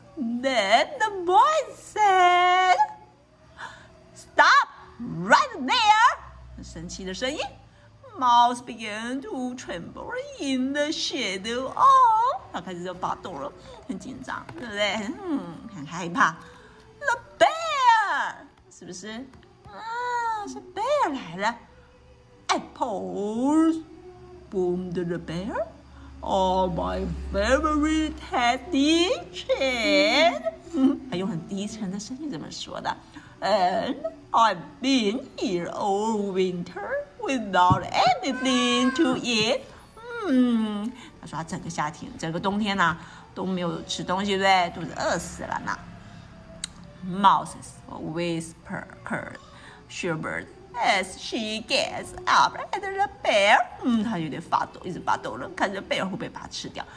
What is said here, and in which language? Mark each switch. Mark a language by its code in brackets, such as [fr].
[en] Then the voice said, "Stop right there. [zh] "神奇的声音， [en] Mouse began to tremble in the shadow. [zh] 哦、oh, ，他开始就发抖了，很紧张，对不对？嗯，很害怕。The bear 是不是？啊，是 bear 来了。 [en] Apples boomed the bear. Oh, my favorite teddy chair. [zh] 他用很低沉的声音怎么说的？ [en] And I've been here all winter without anything to eat. [zh] 嗯，他说他整个夏天，整个冬天呢、啊、都没有吃东西，对不对？肚子饿死了呢。 [en] Mouse whispered, shivered as she gets up at the bear. [zh] 嗯，他有点发抖，一直发抖了，看着 bear 会不会把它吃掉。